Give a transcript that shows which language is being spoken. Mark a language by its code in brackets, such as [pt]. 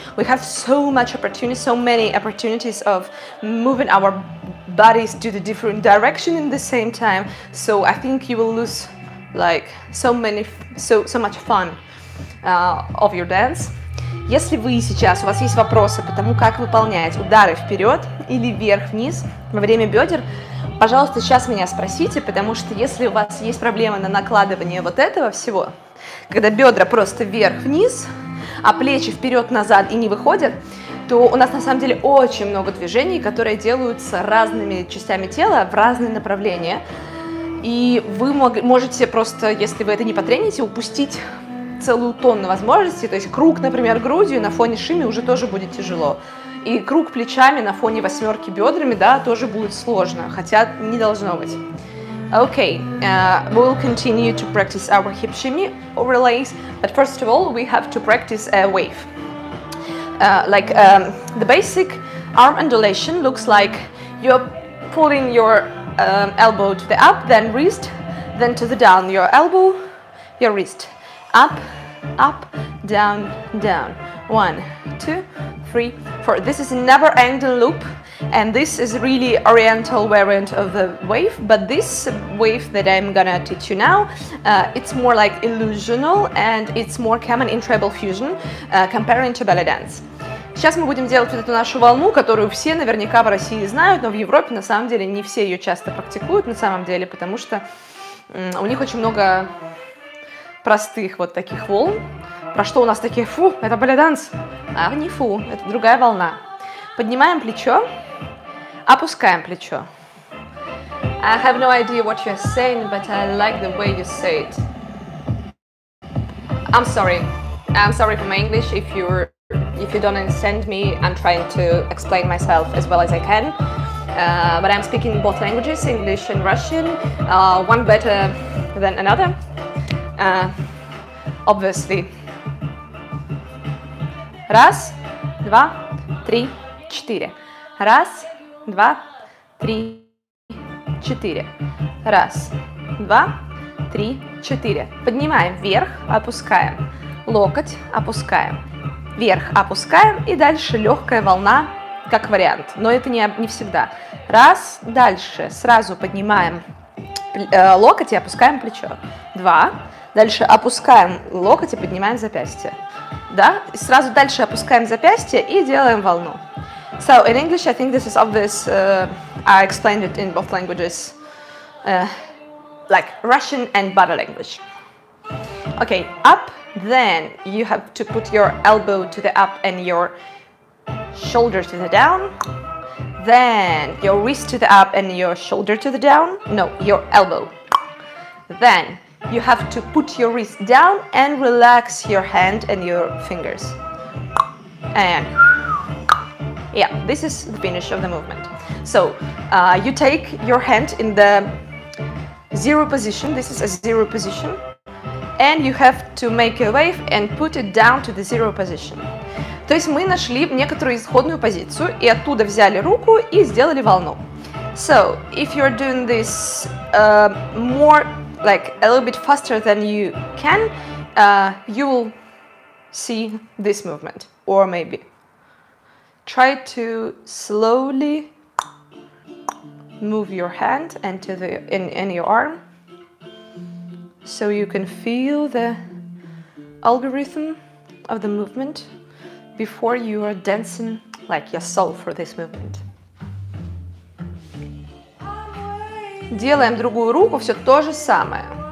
[en] We have so many opportunities of moving our bodies to the different direction in the same time, so I think you will lose like so much fun of your dance. [ru] Если вы сейчас, у вас есть вопросы по тому, как выполнять удары вперед или вверх-вниз во время бедер, пожалуйста, сейчас меня спросите, потому что если у вас есть проблема на накладывание вот этого всего, когда бедра просто вверх-вниз, а плечи вперед-назад и не выходят, то у нас на самом деле очень много движений, которые делаются разными частями тела в разные направления. И вы можете просто, если вы это не потрените, упустить целую тонну возможностей. То есть круг, например, грудью на фоне шими уже тоже будет тяжело. И круг плечами на фоне восьмерки бедрами, да, тоже будет сложно, хотя не должно быть. [en] Okay, we'll continue to practice our hip shimmy overlays, but first of all, we have to practice a wave. The basic arm undulation looks like you're pulling your elbow to the up, then wrist, then to the down, your elbow, your wrist, up, up, down, down, one, two, three, four. This is a never-ending loop, and this is really oriental variant of the wave, but this wave that I'm gonna teach you now, it's more like illusional, and it's more common in tribal fusion, comparing to ballet dance. [ru] Сейчас мы будем делать вот эту нашу волну, которую все наверняка в России знают, но в Европе на самом деле не все ее часто практикуют, на самом деле, потому что у них очень много простых вот таких волн. Про что у нас такие? Фу, это ballet dance. А не фу, это другая волна. Поднимаем плечо, опускаем плечо. [en] I have no idea what you're saying, but I like the way you say it. I'm sorry. I'm sorry for my English. If you don't understand me, I'm trying to explain myself as well as I can. But I'm speaking both languages, English and Russian. One better than another. Obviously. [ru] Раз, два, три, четыре. Раз, два, три, четыре. Раз, два, три, четыре. Поднимаем вверх, опускаем. Локоть опускаем. Вверх опускаем. И дальше легкая волна, как вариант. Но это не всегда. Раз, дальше. Сразу поднимаем локоть и опускаем плечо. Два. Дальше опускаем локоть и поднимаем запястье. Да? И сразу дальше опускаем запястье и делаем волну. [en] So, in English, I think this is obvious. I explained it in both languages. Like Russian and Bada language. Okay, up, then you have to put your elbow to the up and your shoulder to the down. Then your wrist to the up and your shoulder to the down. No, your elbow. Then you have to put your wrist down and relax your hand and your fingers. And yeah, this is the finish of the movement. So you take your hand in the zero position. This is a zero position. And you have to make a wave and put it down to the zero position. [ru] То есть мы нашли некоторую исходную позицию и оттуда взяли руку и сделали волну. [en] So, if you're doing this more, like a little bit faster than you can, you will see this movement. Or maybe try to slowly move your hand and to the in your arm, so you can feel the algorithm of the movement before you are dancing like yourself for this movement. [ru] Делаем другую руку, все то же самое.